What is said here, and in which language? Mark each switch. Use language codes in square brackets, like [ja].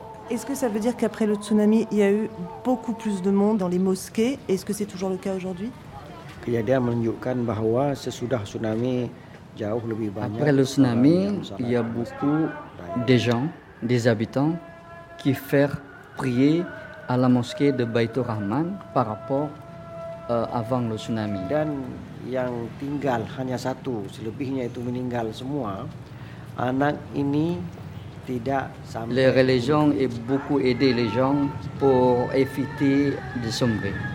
[fr] Est-ce que ça veut dire qu'après le tsunami, il y a eu beaucoup plus de monde dans les mosquées? Est-ce que c'est toujours le cas aujourd'hui? [id] Kejadian menunjukkan bahwa sesudah tsunami jauh lebih banyak. [fr] Après le tsunami, il y a beaucoup des gens, des habitants qui font prier à la mosquée de Baitur Rahman par rapport avant le tsunami. [id] Dan yang tinggal hanya satu, selebihnya itu meninggal semua. Anak ini tidak sampai. [fr] Les religions ont beaucoup aidé les gens pour éviter de sombrer.